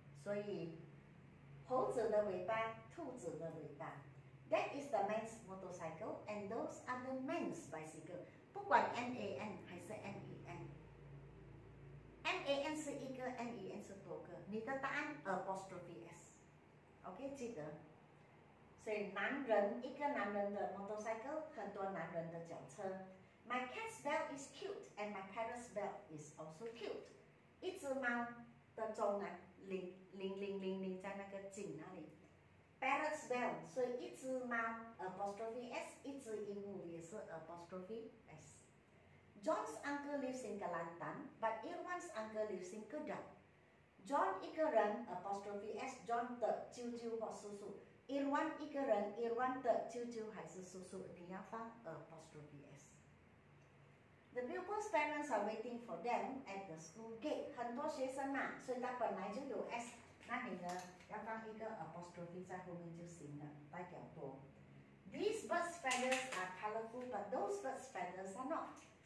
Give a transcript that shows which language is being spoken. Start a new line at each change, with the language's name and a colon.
Chinese: 所以猴子的尾巴，兔子的尾巴。
English: That is the man's motorcycle, and those are the man's bicycle.
Chinese: 不管 man 还是 men，man 是一个 ，men 是多个。你的答案 apostrophe s，OK，记得。所以男人一个男人的 motorcycle， 很多男人的脚车。
English: My cat's belt is cute and my parrot's belt is also cute。
Chinese: 一只猫的钟呢，铃铃铃铃铃在那个颈那里。
English: Parrot's bell，
Chinese: 所以一只猫 apostrophe s， 一只鹦鹉也是 apostrophe s。
English: John's uncle lives in Kelantan， but Irwan's uncle lives in Kedah。
Chinese: John 一个人 apostrophe s， John 的舅舅或叔叔。 Irwan 一个人， Irwan 的舅舅还是叔叔，你要放 apostrophe s。
English: The pupils' parents are waiting for them at the school gate。
Chinese: 很多学生嘛，所以他本来就有 s。那你呢要放一个 apostrophe 在后面就行了，代表多。
English: These bird's feathers are colorful, but those bird's feathers are not.